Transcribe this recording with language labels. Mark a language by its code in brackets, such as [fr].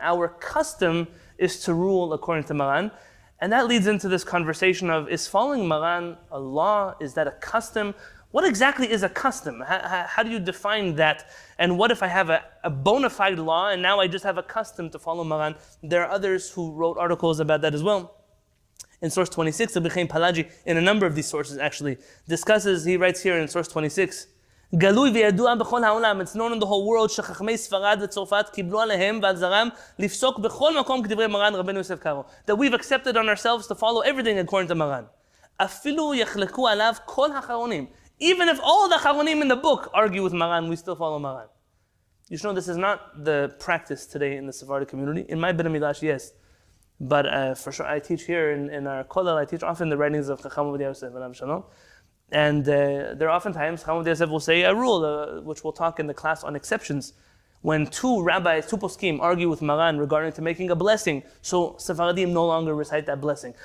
[en] Our custom is to rule according to Maran. And that leads into this conversation of, is following Maran a law? Is that a custom? What exactly is a custom? How do you define that? And what if I have a bona fide law and now I just have a custom to follow Maran? There are others who wrote articles about that as well. In source 26, Rabbi Chaim Palagi, in a number of these sources actually, discusses, he writes here in source 26, [he] גלוי וידוע בכל העולם, [en] it's known in the whole world, [he] שחכמי ספרד וצרפת קיבלו עליהם ועל זרם לפסוק בכל מקום כדברי מרן רבנו יוסף קארו. [en] That we've accepted on ourselves to follow everything according to מרן. [he] אפילו יחלקו עליו כל האחרונים. [en] Even if all the האחרונים in the book argue with מרן, we still follow מרן. You know, this is not the practice today in the Sephardic community. In my Ben Amidash, yes. But for sure, I teach here in our Kollel, I teach often the writings of חכם עובדיה יוסף עליו שלום. And there are oftentimes, Chacham Avdei Yosef will say a rule, which we'll talk in the class on exceptions, when two rabbis, two poskim, argue with Maran regarding to making a blessing, so Sefaradim no longer recite that blessing.